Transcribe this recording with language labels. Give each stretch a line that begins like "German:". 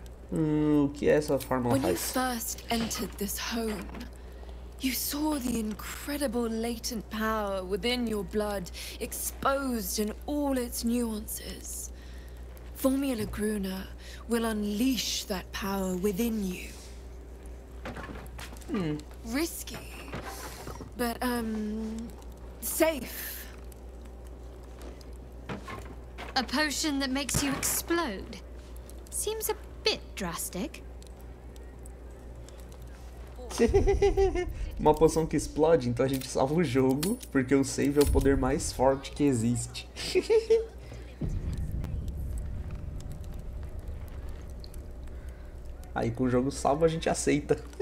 Portuguese: O que é essa forma faz? Quando você entrou nessa casa, você viu o incrível poder latente dentro do seu sangue, exposto em todas as suas nuances.
English: Formula Gruna will unleash that power within you. Risky, but safe. A potion that makes you explode seems a bit drastic.
Portuguese: Uma poção que explode, então a gente salva o jogo, porque o save é o poder mais forte que existe. Aí com o jogo salvo a gente aceita.